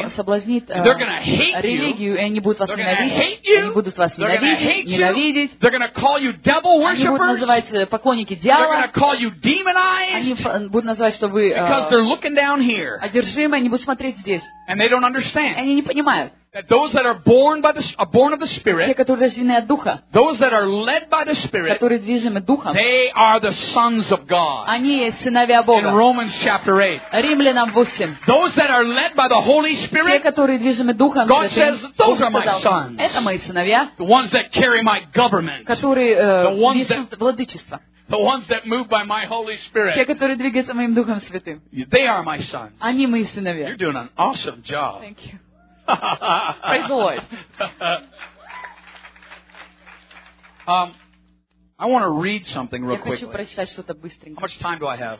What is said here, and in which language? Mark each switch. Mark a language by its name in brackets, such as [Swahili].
[Russian] Что соблазнит. [English] They're going to hate you. [Russian] Религию, и они будут вас ненавидеть. [English] They're going to hate you. [Russian] Они будут вас ненавидеть. [English] They're going to call you devil worshippers. [Russian] Они будут называть поклонники дьявола. [English] You demonized. [Russian] Они будут называть, что вы одержимы, они будут смотреть здесь. [English] And they don't understand. [Russian] Они не понимают. [English] That those that are born of the Spirit. [Russian] Те, которые рождены от Духа. [English] Those that are led by the Spirit. [Russian] Которые движимы Духом. [English] They are the sons of God. [Russian] Они сыновья Бога. [English] In Romans chapter 8. [Russian] Римлянам 8. [English] Those that are led by the Holy Spirit. [Russian] Те, которые движимы Духом. [English] God says, those are my sons. [Russian] Это мои сыновья. [English] The ones that carry my government. [Russian] Которые несут владычество. [English] The ones that move by my Holy Spirit. [Russian] Те, которые двигаются моим Духом Святым. [English] They are my sons. [Russian] Они мои сыновья. [English] You're doing an awesome job. Thank you. Praise the Lord. I want to read something real quickly. [Russian] Я хочу прочитать что-то быстренько. [English] How much time do I have?